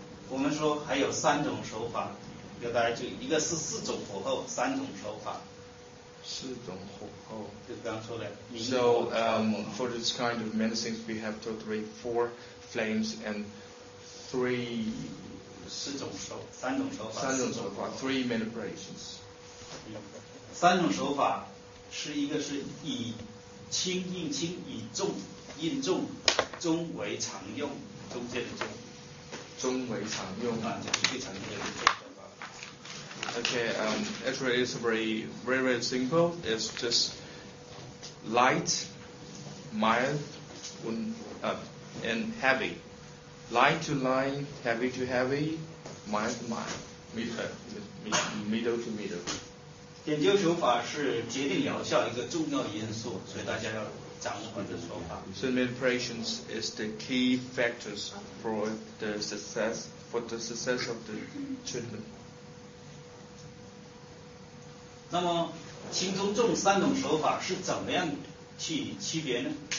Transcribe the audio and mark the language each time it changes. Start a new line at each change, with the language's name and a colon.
Chinese: 我们说还有三种手法，要大家就一个是四种火候，三种手法。四种火候，就刚说的。
English: So, for this kind of medicines, we have totally four flames and three.
Chinese: 四种手，三种手法。三种手法 ，
English: three manipulations.
Chinese: 三种手法。是一个是以轻应轻，以重应重，中为常用，中间的中。中为常用啊，就是最常用的这个方法。
English: Okay, actually it's very, very, very simple. It's just light, mild, and heavy. Light to light, heavy to heavy, mild to mild, middle to middle.
Chinese: 点灸手法是决定疗效一个重要因素，所以大家要掌握这个手法。
English: So manipulation is the key factors for the success of the treatment.
Chinese: 那么轻中重三种手法是怎么样去区别呢？